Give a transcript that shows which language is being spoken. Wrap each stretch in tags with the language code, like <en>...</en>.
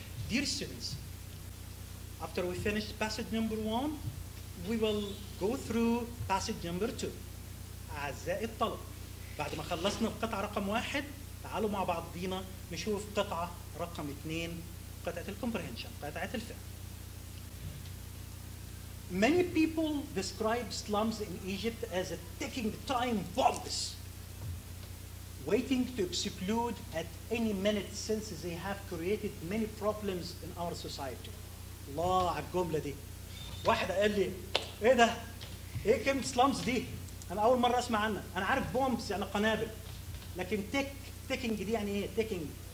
<en>Dear students, after we finish passage number one, we will go through passage number two.</en> <ar>أعزائي الطلاب، بعد ما خلصنا القطعة رقم واحد، تعالوا مع بعضينا نشوف قطعة رقم اثنين، قطعة الكومبرهنشن، قطعة الفهم.</ar> <en>Many people describe slums in Egypt as a ticking time bombs, waiting to explode at any minute since they have created many problems in our society.</en> <ar>الله على الجملة دي. واحدة قال لي ايه ده؟ ايه كلمة slums دي؟ أنا أول مرة أسمع عنها. أنا عارف بومبس يعني قنابل، لكن تيك تيكينج دي يعني إيه؟ تيكينج.</ar>